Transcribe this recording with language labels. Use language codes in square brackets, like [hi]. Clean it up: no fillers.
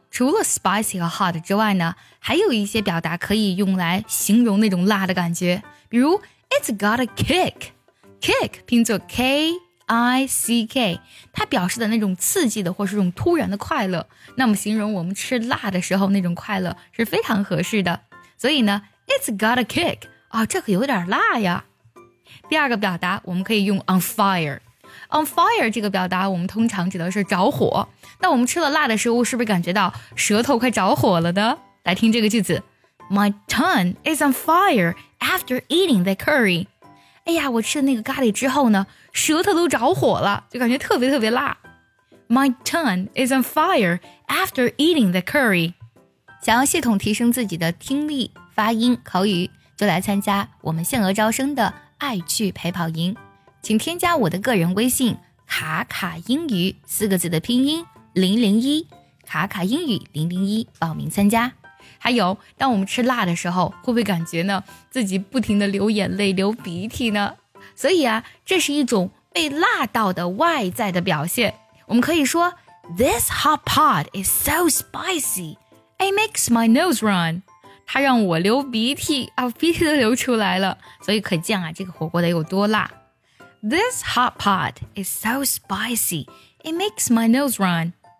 [zh] 除了 spicy 和 hot 之外呢，还有一些表达可以用来形容那种辣的感觉，比如 [en] it's got a kick， [zh] kick 拼作 kIck， 它表示的那种刺激的或是那种突然的快乐，那么形容我们吃辣的时候那种快乐是非常合适的。所以呢 [en] It's got a kick、 [zh] 哦、这可有点辣呀。第二个表达我们可以用 on fire， on fire 这个表达我们通常指的是着火。那我们吃了辣的食物是不是感觉到舌头快着火了呢？来听这个句子， [en] My tongue is on fire after eating the curry。 [zh] 哎呀，我吃了那个咖喱之后呢，舌头都着火了，就感觉特别特别辣。 [en] My tongue is on fire after eating the curry。 [zh] 想要系统提升自己的听力、发音、口语，就来参加我们限额招生的爱趣陪跑营。请添加我的个人微信卡卡英语四个字的拼音001，卡卡英语001，报名参加。还有当我们吃辣的时候会不会感觉呢自己不停地流眼泪流鼻涕呢？所以啊，这是一种被辣到的外在的表现。我们可以说 [en] This hot pot is so spicy it makes my nose run， [zh] 它让我流鼻涕啊，鼻涕都流出来了。所以可见啊，这个火锅得有多辣。 [en] This hot pot is so spicy it makes my nose run。